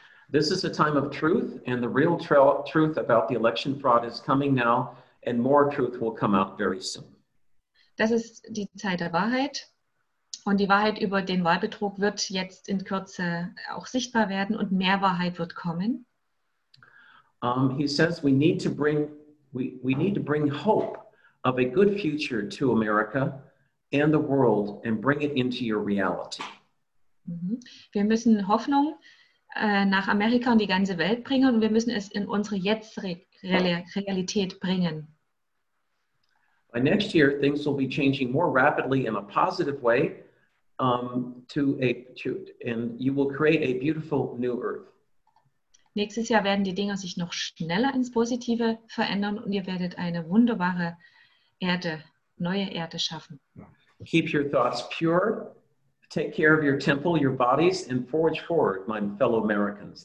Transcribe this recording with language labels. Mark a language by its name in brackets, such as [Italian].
[English] This is a time of truth, and the real truth about the election fraud is coming now, and more truth will come out very soon. [German] Das ist die Zeit der Wahrheit, und die Wahrheit über den Wahlbetrug wird jetzt in Kürze auch sichtbar werden, und mehr Wahrheit wird kommen. [English] He says we need to bring hope of a good future to America and the world, and bring it into your reality. [German] Wir müssen Hoffnung nach Amerika und die ganze Welt bringen, und wir müssen es in unsere jetzige Realität bringen. [English] By next year, things will be changing more rapidly in a positive way, and you will create a beautiful new earth. [German] Nächstes Jahr werden die Dinge sich noch schneller ins Positive verändern, und ihr werdet eine wunderbare neue Erde schaffen. [English] Keep your thoughts pure. Take care of your temple, your bodies, and forge forward, my fellow Americans.